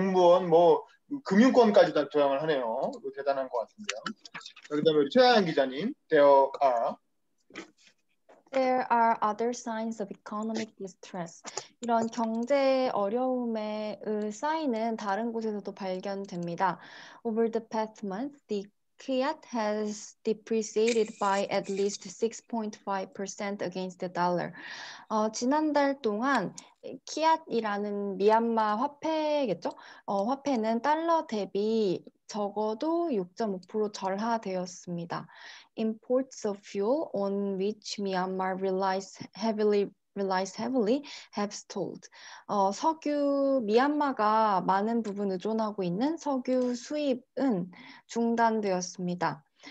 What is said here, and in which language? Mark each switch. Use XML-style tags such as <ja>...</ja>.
<ko>공무원 뭐 금융권까지 다 저항을 하네요. 대단한 것 같은데요. 자, 그다음에 우리 최하연 기자님,</ko> <en>There are. There are other signs of economic distress.</en> <ko>이런 경제 어려움의 사인은 다른 곳에서도 발견됩니다.</ko> <en>Over the past month, the kyat has depreciated by at least 6.5% against the dollar.</en> <ko>지난달 동안 kyat이라는 미얀마 화폐겠죠? 화폐는 달러 대비 적어도 6.5% 절하되었습니다.</ko> <en>Imports of fuel on which Myanmar relies heavily have stalled.</en> <ko>석유 미얀마가 많은 부분 의존하고 있는 석유 수입은 중단되었습니다.</ko>